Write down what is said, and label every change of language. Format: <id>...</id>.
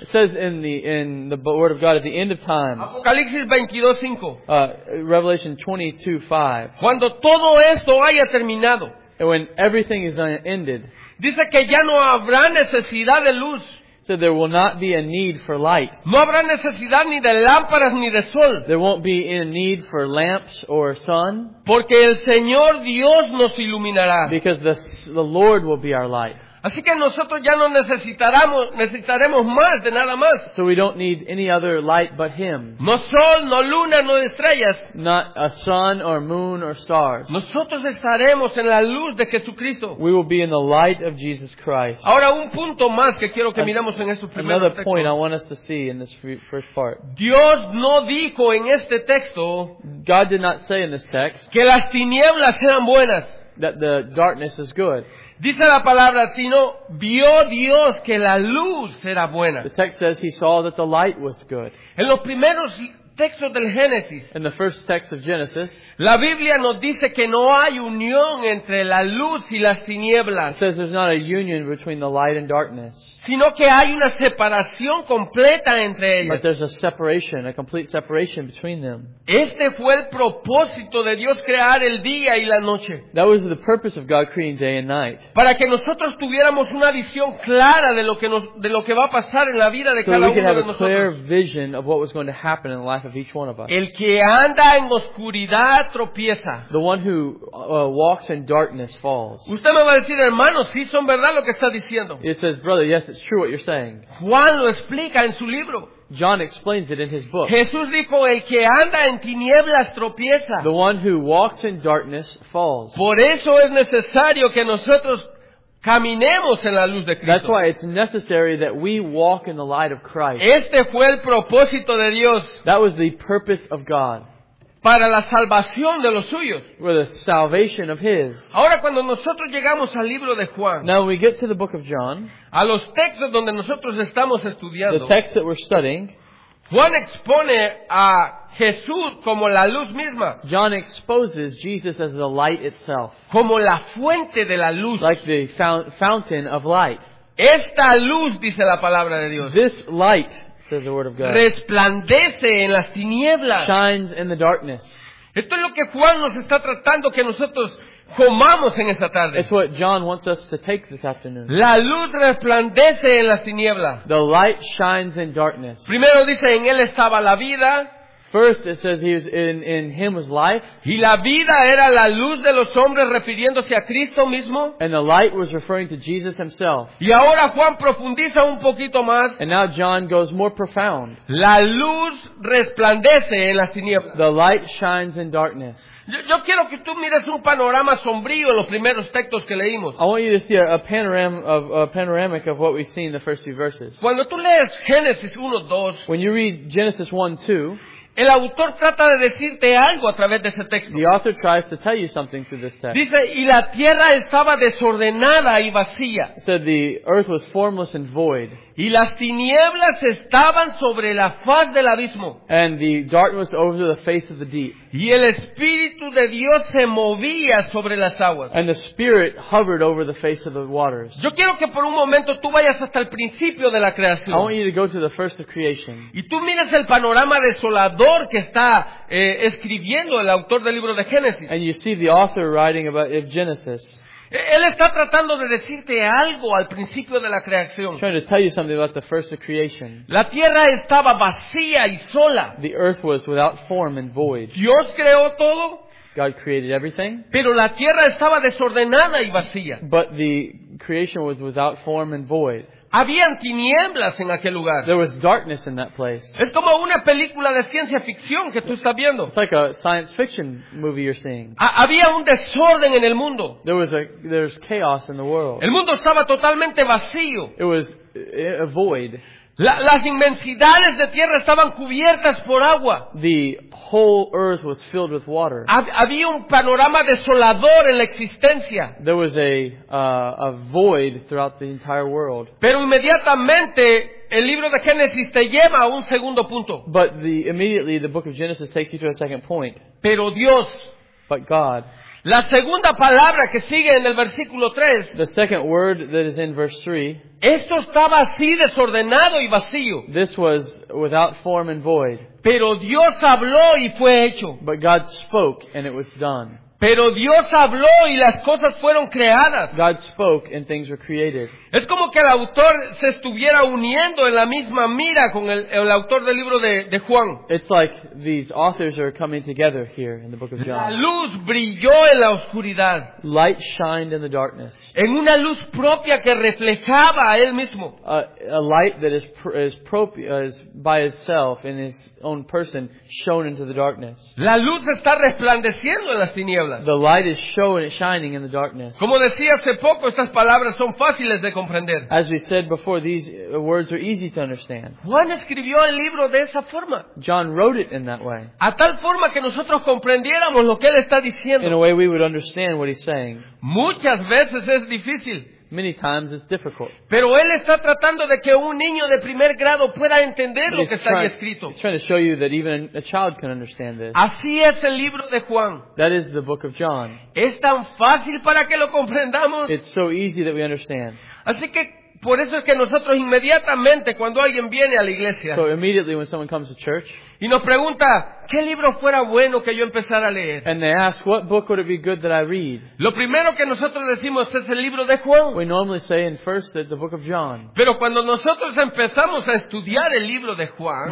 <en>It says in the word of God at the end of times.</en> <es>Apocalipsis 22:5.</es> <en>Revelation 22:5.</en> <es>Cuando todo esto haya terminado.</es> <en>And when everything is ended.</en> <es>Dice que ya no habrá necesidad de luz.</es> <en>So there will not be a need for light.</en> <es>No habrá necesidad ni de lámparas ni de sol.</es> <en>There won't be a need for lamps or sun.</en> <es>Porque el Señor Dios nos iluminará.</es> <en>Because the Lord will be our light.</en> <es>Así que nosotros ya no necesitaremos más de nada más.</es> <en>So we don't need any other light but Him.</en> <es>No sol, no luna, no estrellas.</es> <en>Not a sun or moon or stars.</en> <es>Nosotros estaremos en la luz de Jesucristo.</es> <en>We will be in the light of Jesus Christ.</en> <es>Ahora un punto más que quiero que miremos en este primer texto.</es> <en>Another point I want us to see in this first part.</en> <es>Dios no dijo en este texto.</es> <en>God did not say in this text.</en> <es>Que las tinieblas sean buenas.</es> <en>That the darkness is good.</en> <es>Dice la palabra, sino vio Dios que la luz era buena.</es> <en>The text says he saw that the light was good.</en> <es>En los primeros textos del Génesis,</es> <en>in the first text of Genesis,</en> <es>la Biblia nos dice que no hay unión entre la luz y las tinieblas.</es> <en>It says there's not a union between the light and darkness.</en> <es>Sino que hay una separación completa entre ellas.</es> <en>But there's a separation, a complete separation between them.</en> <es>Este fue el propósito de Dios crear el día y la noche.</es> <en>That was the purpose of God creating day and night.</en> <es>Para que nosotros tuviéramos una visión clara de lo que va a pasar en la vida de</es> <en>so</en> <es>cada uno de nosotros.</es> <en>So we could have a clear vision of what was going to happen in the life of each one of us.</en> <es>El que anda en oscuridad tropieza.</es> <en>The one who walks in darkness falls.</en> <es>Usted me va a decir, hermano, sí son verdad lo que está diciendo.</es> <en>It says, brother, yes, it's true what you're saying.</en> <es>Juan lo explica en su libro.</es> <en>John explains it in his book.</en> <es>Jesús dijo, el que anda en tinieblas tropieza.</es> <en>The one who walks in darkness falls.</en> <es>Por eso es necesario que nosotros caminemos en la luz de Cristo.</es> <en>That's why it's necessary that we walk in the light of Christ.</en> <es>Este fue el propósito de Dios.</es> <en>That was the purpose of God.</en> <es>Para la salvación de los suyos.</es> <en>For the salvation of his.</en> <es>Ahora cuando nosotros llegamos al libro de Juan.</es> <en>Now we get to the book of John.</en> <es>A los textos donde nosotros estamos estudiando.</es> <en>The text that we're studying.</en> <es>Juan expone a Jesús como la luz misma.</es> <en>John exposes Jesus as the light itself.</en> <es>Como la fuente de la luz.</es> <en>Like the fountain of light.</en> <es>Esta luz, dice la palabra de Dios.</es> <en>This light, says the word of God,</en> <es>resplandece en las tinieblas.</es> <en>Shines in the darkness.</en> <es>Esto es lo que Juan nos está tratando que nosotros comamos en esta tarde.</es> <en>It's what John wants us to take this afternoon.</en> <es>La luz resplandece en las tinieblas.</es> <en>The light shines in darkness.</en> <es>Primero dice, en él estaba la vida.</es> <en>First it says he was in him was life.</en> <es>Y la vida era la luz de los hombres refiriéndose a Cristo mismo.</es> <en>And the light was referring to Jesus himself.</en> <es>Y ahora Juan profundiza un poquito más.</es> <en>And now John goes more profound.</en> <es>La luz resplandece en las tinieblas.</es> <en>The light shines in darkness.</en> <es>Yo quiero que tú mires un panorama sombrío en los primeros textos que leímos.</es> <en>I want you to see a panoramic of what we've seen in the first few verses.</en> <es>Cuando tú lees Génesis 1:2,</es> <en>when you read Genesis 1:2,</en> <es>el autor trata de decirte algo a través de ese texto.</es> <en>The author tries to tell you something through this text.</en> <es>Dice, y la tierra estaba desordenada y vacía.</es> <en>So the earth was formless and void.</en> <es>Y las tinieblas estaban sobre la faz del abismo.</es> <en>And the darkness over the face of the deep.</en> <es>Y el Espíritu de Dios se movía sobre las aguas.</es> <en>And the Spirit hovered over the face of the waters.</en> <es>Yo quiero que por un momento tú vayas hasta el principio de la creación.</es> <en>I want you to go to the first of creation.</en> <es>Y tú miras el panorama desolador que está escribiendo el autor del libro de Génesis.</es> <en>And you see the author writing about Genesis.</en> <es>Él está tratando de decirte algo al principio de la creación.</es> <en>He's trying to tell you something about the first of creation.</en> <es>La tierra estaba vacía y sola.</es> <en>The earth was without form and void.</en> <es>Dios creó todo.</es> <en>God created everything.</en> <es>Pero la tierra estaba desordenada y vacía.</es> <en>But the creation was without form and void.</en> <es>Habían tinieblas en aquel lugar.</es> <en>There was darkness in that place.</en> <es>Es como una película de ciencia ficción que tú estás viendo.</es> <en>It's like a science fiction movie you're seeing.</en> <es>Había un desorden en el mundo.</es> <en>There's chaos in the world.</en> <es>El mundo estaba totalmente vacío.</es> <en>It was a void.</en> <es>Las inmensidades de tierra estaban cubiertas por agua.</es> <en>The whole earth was filled with water.</en> <es>Había un panorama desolador en la existencia.</es> <en>There was a void throughout the entire world.</en> <es>Pero inmediatamente el libro de Génesis te lleva a un segundo punto.</es> <en>But immediately the book of Genesis takes you to a second point.</en> <es>Pero Dios.</es> <en>But God.</en> <es>La segunda palabra que sigue en el versículo 3.</es> <en>The second word that is in verse 3.</en> <es>Esto estaba así desordenado y vacío.</es> <en>This was without form and void.</en> <es>Pero Dios habló y fue hecho.</es> <en>But God spoke and it was done.</en> <es>Pero Dios habló y las cosas fueron creadas.</es> <en>God spoke and things were created.</en> <es>Es como que el autor se estuviera uniendo en la misma mira con el autor del libro de Juan.</es> <en>It's like these authors are coming together here in the book of John.</en> <es>La luz brilló en la oscuridad.</es> <en>Light shined in the darkness.</en> <es>En una luz propia que reflejaba a él mismo.</es> <en>A light that is by itself in his own person shone into the darkness.</en> <es>La luz está resplandeciendo en las tinieblas.</es> <en>The light is showing, shining in the darkness.</en> <es>Como decía hace poco, estas palabras son fáciles de comprender.</es> <en>As we said before, these words are easy to understand.</en> <es>Juan escribió el libro de esa forma.</es> <en>John wrote it in that way.</en> <es>A tal forma que nosotros comprendiéramos lo que él está diciendo.</es> <en>In a way we would understand what he's saying.</en> <es>Muchas veces es difícil.</es> <en>Many times it's difficult.</en> <es>Pero él está tratando de que un niño de primer grado pueda entender lo que está ahí escrito.</es> <en>He's trying to show you that even a child can understand this.</en> <es>Así es el libro de Juan.</es> <en>That is the book of John.</en> <es>Es tan fácil para que lo comprendamos.</es> <en>It's so easy that we understand.</en> <es>Así que por eso es que nosotros inmediatamente cuando alguien viene a la iglesia.</es> <en>So immediately when someone comes to church.</en> <es>Y nos pregunta, ¿qué libro fuera bueno que yo empezara a leer?</es> <en>And they ask, what book would it be good that I read?</en> <es>Lo primero que nosotros decimos es el libro de Juan.</es> <en>We normally say in first the book of John.</en> <es>Pero cuando nosotros empezamos a estudiar el libro de Juan,</es>